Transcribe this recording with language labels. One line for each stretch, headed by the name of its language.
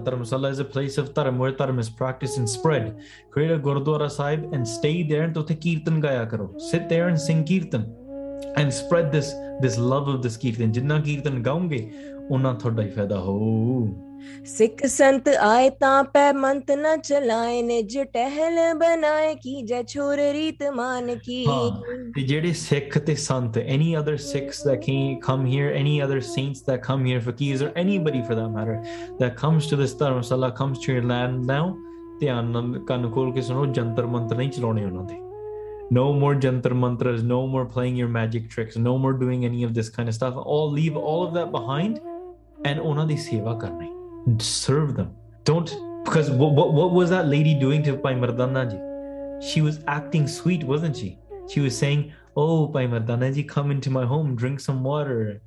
English: Dharmasala is a place of dharm where dharm is practiced and spread. Create a gurdwara sahib and stay there and
Punjabi: tothe kirtan gaya karo.
English: Sit there and sing kirtan and spread this love of this kirtan.
Punjabi: Jinnah kirtan gaunge, unna thoda hi fayda ho. ਸਿੱਖ ਸੰਤ ਆਏ ਤਾਂ ਪੈ ਮੰਤ ਨਾ ਚਲਾਏ ਨਿਜ ਟਹਿਲ ਬਣਾਏ ਕੀ ਜੈ ਛੋਰ ਰੀਤ ਮਾਨ ਕੀ ਤੇ ਜਿਹੜੇ ਸਿੱਖ ਤੇ ਸੰਤ
English: any other Sikhs that came come here any other saints that come here for keys or anybody for that matter that comes to this dharamsala comes to your land now
Punjabi: ਧਿਆਨ ਨਾਲ ਕੰਨ ਖੋਲ ਕੇ ਸੁਣੋ ਜੰਤਰ ਮੰਤਰ ਨਹੀਂ ਚਲਾਉਣੇ ਉਹਨਾਂ ਦੇ
English: No more jantar mantras, no more playing your magic tricks, no more doing any of this kind of stuff. All leave all of that behind and
Punjabi: ਉਹਨਾਂ ਦੀ ਸੇਵਾ ਕਰਨੀ.
English: Serve them. Don't, because what was that lady doing to Pai Mardana Ji? She was acting sweet, wasn't she? She was saying, oh, Pai Mardana Ji, come into my home, drink some water.